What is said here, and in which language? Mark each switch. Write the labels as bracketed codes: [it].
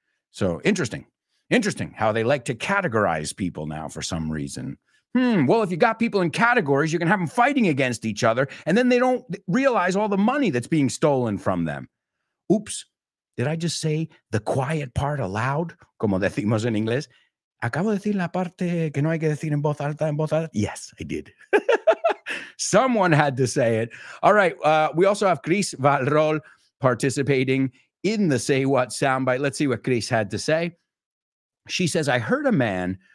[en] So interesting how they like to categorize people now for some reason. Well, if you got people in categories, you can have them fighting against each other, and then they don't realize all the money that's being stolen from them. Oops. Did I just say the quiet part aloud? [es] Como decimos en inglés. Acabo de decir la parte que no hay que decir en voz alta. [en] Yes, I did. Someone had to say it. All right. We also have Chris Valrol participating in the Say What soundbite. Let's see what Chris had to say. She says, I heard a man